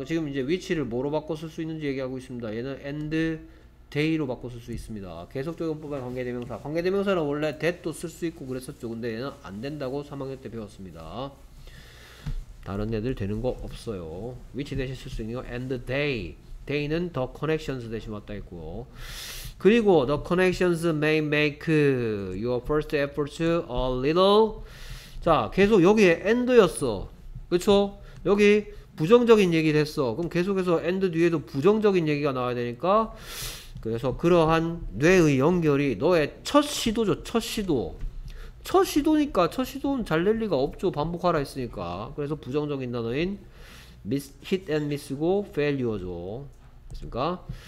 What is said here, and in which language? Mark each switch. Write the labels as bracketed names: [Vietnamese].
[Korean] 지금 이제 위치를 뭐로 바꿔 쓸 수 있는지 얘기하고 있습니다. 얘는 and day로 바꿔 쓸 수 있습니다. 계속적 용법에 관계대명사. 관계대명사는 원래 that도 쓸 수 있고 그랬었죠. 근데 얘는 안 된다고 3학년 때 배웠습니다. 다른 애들 되는 거 없어요. which 대신 쓸 수 있는 거 and day. day는 the connections 대신 왔다 했고요. 그리고 [English] the connections may make your first efforts a little. [Korean] 자, 계속 여기에 and였어. 그쵸? 여기 부정적인 얘기 됐어. 그럼 계속해서 and 뒤에도 부정적인 얘기가 나와야 되니까, 그래서 그러한 뇌의 연결이 너의 첫 시도죠. 첫 시도. 첫 시도니까 첫 시도는 잘 낼 리가 없죠. 반복하라 했으니까. 그래서 부정적인 단어인 miss, [English] hit and miss [Korean] 고 failure죠. 됐습니까?